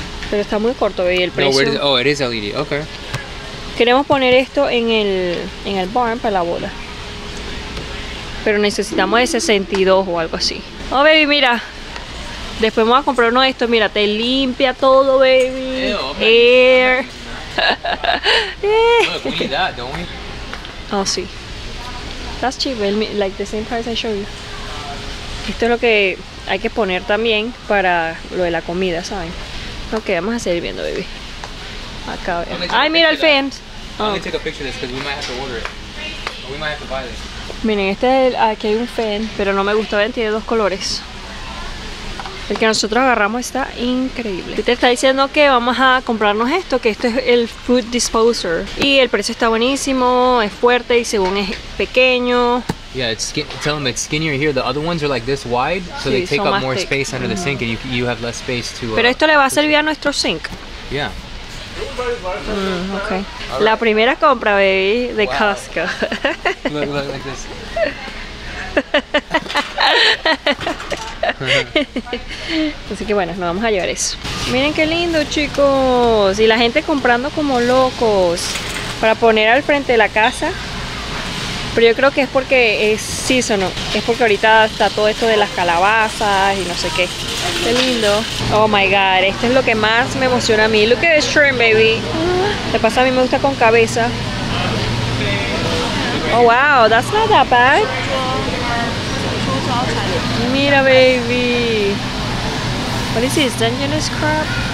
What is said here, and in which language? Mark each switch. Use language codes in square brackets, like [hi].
[es] Pero está muy corto, baby, el precio. [en] No, where is it? Oh, it is LED. Okay. [es] Queremos poner esto en el barn para la boda. Pero necesitamos de 62 o algo así. Oh, baby, mira. Después vamos a comprar uno de estos. Mira, te limpia todo, baby. Ew, [en] air. Look, we need that, don't we? Oh, sí. That's cheap, baby. Like the same price I showed you. [es] Esto es lo que hay que poner también para lo de la comida, ¿saben? Ok, vamos a seguir viendo, baby. Acá, ay, [en] take [es] mira el fence. [en] I'm gonna take a picture of this because we might have to order it. We might have to buy this. [es] Miren, este es el, aquí hay un fan, pero no me gusta, ven, tiene dos colores. El que nosotros agarramos está increíble. Peter está diciendo que vamos a comprarnos esto, que esto es el food disposer. Y el precio está buenísimo, es fuerte y según es pequeño. [en] Yeah, it's skin, tell them it's skinnier here. The other ones are like this wide, so [es] sí, [en] they take up more thick space under the sink and you have less space to... [es] Pero esto le va a servir a nuestro sink. [en] Yeah. [es] Okay. Right. La primera compra, baby, de wow. Costco. [en] Look like this. [es] Así que bueno, nos vamos a llevar eso. Miren qué lindo, chicos. Y la gente comprando como locos para poner al frente de la casa. Pero yo creo que es porque es seasonal. Es porque ahorita está todo esto de las calabazas y no sé qué. Qué lindo. [en] Oh my god, [es] esto es lo que más me emociona a mí. [en] Look at the shrimp, baby. [es] Te pasa, a mí me gusta con cabeza. [en] Oh wow, that's not that bad. Mira, baby. What is this, Dungeness crab?